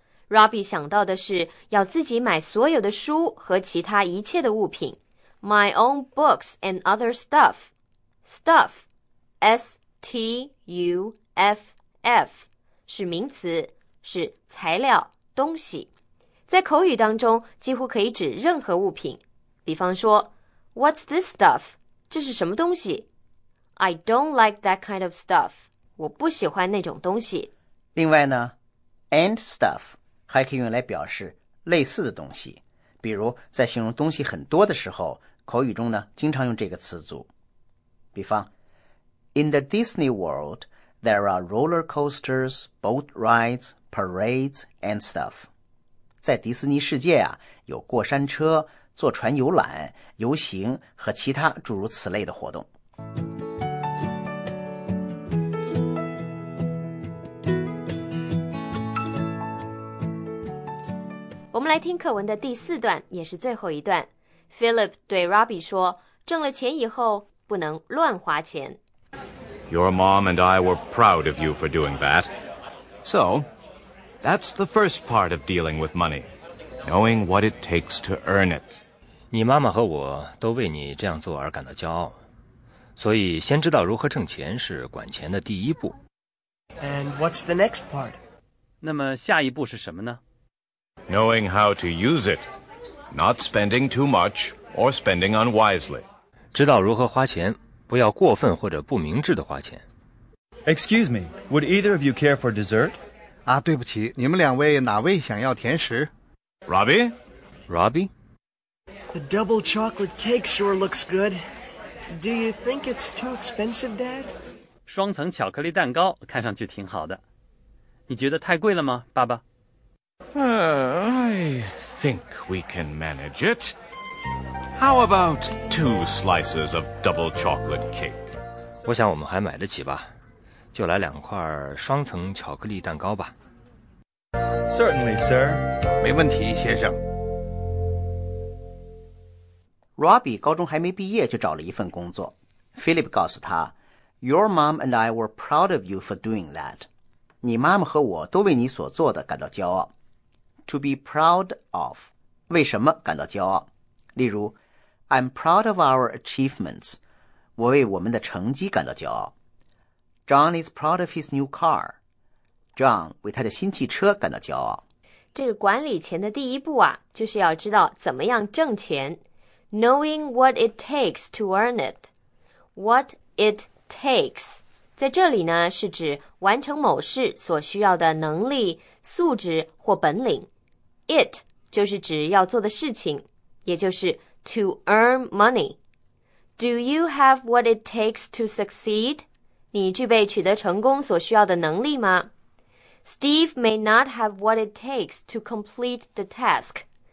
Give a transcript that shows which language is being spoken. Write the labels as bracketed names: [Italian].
[Chinese] Robbie 想到的是要自己买所有的书和其他一切的物品， [English] My own books and other stuff, [Chinese] stuff S-T-U-F-F 是名词，是材料东西，在口语当中几乎可以指任何物品，比方说 [English] What's this stuff? [Chinese] 这是什么东西? [English] I don't like that kind of stuff. [Chinese] 我不喜欢那种东西。另外呢 and stuff 还可以用来表示类似的东西。比如在形容东西很多的时候，口语中呢经常用这个词组。 [English] 比方 In the Disney World, there are roller coasters, boat rides, parades, and stuff. [Chinese] 在迪士尼世界啊，有过山车，坐船游览、游行和其他诸如此类的活动。我们来听课文的第四段，也是最后一段。 Philip 对 Robbie 说，挣了钱以后不能乱花钱。 [English] Your mom and I were proud of you for doing that. So, that's the first part of dealing with money, knowing what it takes to earn it. [Chinese] 你妈妈和我都为你这样做而感到骄傲，所以先知道如何挣钱是管钱的第一步。 [English] And what's the next part? [Chinese] 那么下一步是什么呢？ [English] Knowing how to use it, not spending too much or spending unwisely. [Chinese] 知道如何花钱，不要过分或者不明智的花钱。 [English] Excuse me, would either of you care for dessert? [Chinese] 啊，对不起，你们两位哪位想要甜食？ [English] Robbie? The double chocolate cake sure looks good. Do you think it's too expensive, Dad? [Chinese] 双层巧克力蛋糕看上去挺好的。你觉得太贵了吗，爸爸？ [English] I think we can manage it. How about two slices of double chocolate cake? [Chinese] 我想我们还买得起吧，就来两块双层巧克力蛋糕吧。 [English] Certainly, sir. [Chinese] 没问题，先生。 Robbie 高中还没毕业就找了一份工作。 [English] Philip [Chinese] 告诉他 [English] Your mom and I were proud of you for doing that. [Chinese] 你妈妈和我都为你所做的感到骄傲。 [English] To be proud of, [Chinese] 为什么感到骄傲？ [English] 例如 I'm proud of our achievements. [Chinese] 我为我们的成绩感到骄傲。 [English] John is proud of his new car. [Chinese] John 为他的新汽车感到骄傲。这个管理钱的第一步啊，就是要知道怎么样挣钱。 [English] Knowing what it takes to earn it. What it takes. [Chinese] 在这里呢是指完成某事所需要的能力、素质或本领。 It 就是指要做的事情，也就是 [English] to earn money. Do you have what it takes to succeed? [Chinese] 你具备取得成功所需要的能力吗？ [English] Steve may not have what it takes to complete the task.